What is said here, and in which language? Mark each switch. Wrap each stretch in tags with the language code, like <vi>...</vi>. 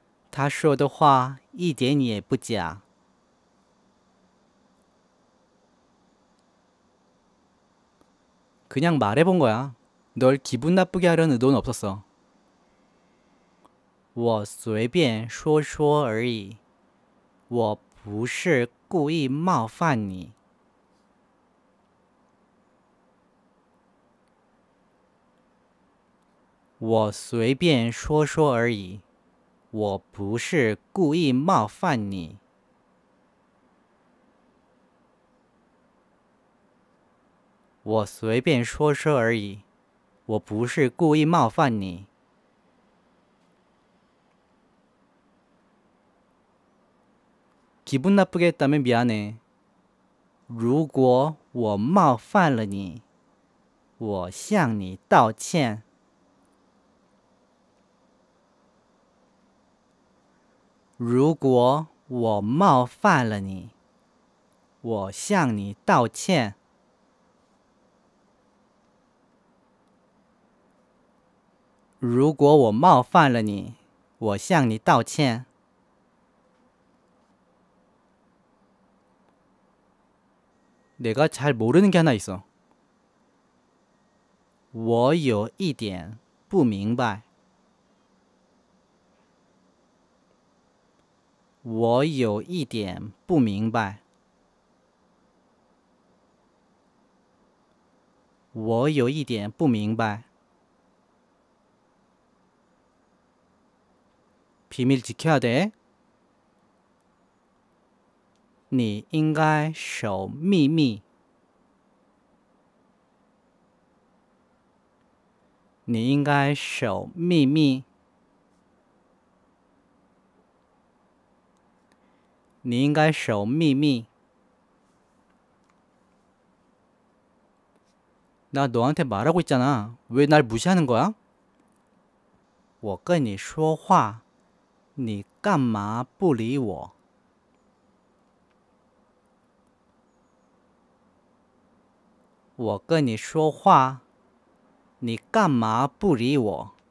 <zh>他说的话一点也不假。</zh> <ko>그냥 말해본 거야. 널 기분 나쁘게 하려는 의도는 없었어.</ko> <zh>我随便说说而已，我不是故意冒犯你。我随便说说而已，我不是故意冒犯你。我随便说说而已，我不是故意冒犯你。</zh> <ko>기분 나쁘게 했다면 미안해.</ko> <zh>如果我冒犯了你，我向你道歉。如果我冒犯了你，我向你道歉。如果我冒犯了你，我向你道歉。</zh> <ko>내가 잘 모르는 게 하나 있어.</ko> <zh>我有一点不明白。我有一点不明白。我有一点不明白。</zh> <ko>비밀 지켜야 돼.</ko> <zh>你应该守秘密。你应该守秘密。你应该守秘密。</zh> <ko>나 너한테 말하고 있잖아. 왜날 무시하는 거야?</ko> <zh>我跟你说话，你干嘛不理我？我跟你说话。你干嘛不理我？</zh>